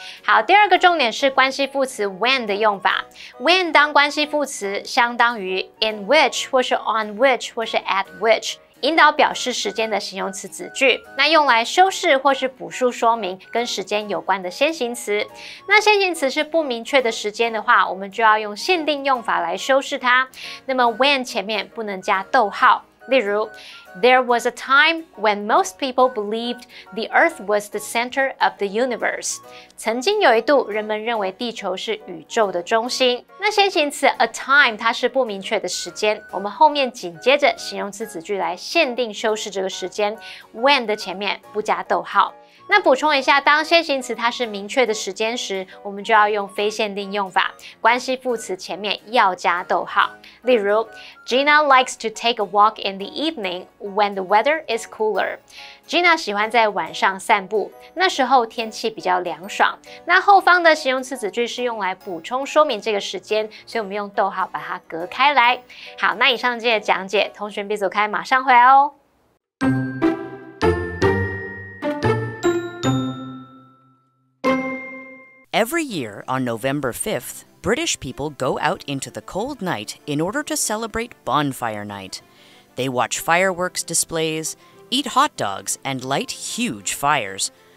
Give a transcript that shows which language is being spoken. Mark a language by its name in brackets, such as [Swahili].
[Chinese] 好，第二个重点是关系副词 when 的用法。When 当关系副词相当于 in which 或是 on which 或是 at which， 引导表示时间的形容词子句，那用来修饰或是补述说明跟时间有关的先行词。那先行词是不明确的时间的话，我们就要用限定用法来修饰它。那么 when 前面不能加逗号。 [English] 例如 There was a time when most people believed the earth was the center of the universe. [Chinese] 曾经有一度人们认为地球是宇宙的中心。那先行词 a time 它是不明确的时间，我们后面紧接着形容词子句来限定修饰这个时间， when 的前面不加逗号。那补充一下，当先行词它是明确的时间时，我们就要用非限定用法，关系副词前面要加逗号。 [English] 例如 Gina likes to take a walk in the evening when the weather is cooler. [Chinese] Gina 喜欢在晚上散步，那时候天气比较凉爽。那后方的形容词子句是用来补充说明这个时间，所以我们用逗号把它隔开来。好，那以上就是讲解，同学别走开，马上回来哦。 [English] Every year on November 5th, British people go out into the cold night in order to celebrate Bonfire Night. They watch fireworks displays, eat hot dogs, and light huge fires.